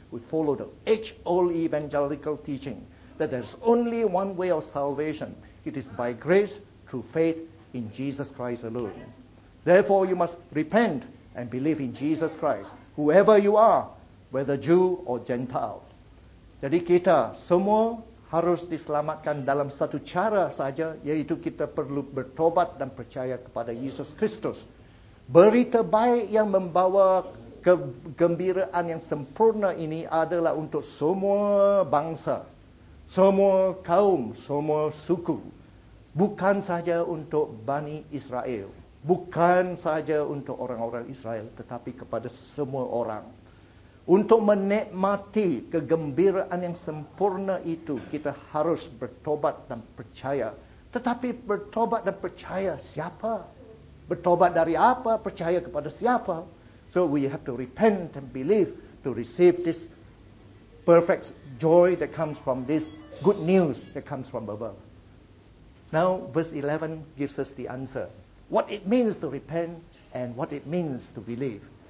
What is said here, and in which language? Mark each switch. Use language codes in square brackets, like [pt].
[en] We follow the age-old evangelical teaching that there is only one way of salvation. It is by grace through faith in Jesus Christ alone. Therefore, you must repent and believe in Jesus Christ, whoever you are, whether Jew or Gentile. [ms] Jadi kita semua harus diselamatkan dalam satu cara saja, yaitu kita perlu bertobat dan percaya kepada Yesus Kristus. Berita baik yang membawa kegembiraan yang sempurna ini adalah untuk semua bangsa, semua kaum, semua suku. Bukan saja untuk Bani Israel. Bukan saja untuk orang-orang Israel, tetapi kepada semua orang. Untuk menikmati kegembiraan yang sempurna itu, kita harus bertobat dan percaya. Tetapi bertobat dan percaya siapa? Bertobat dari apa? Percaya kepada siapa? [en] So we have to repent and believe to receive this perfect joy that comes from this good news that comes from above. Now verse 11 gives us the answer. What it means to repent and what it means to believe.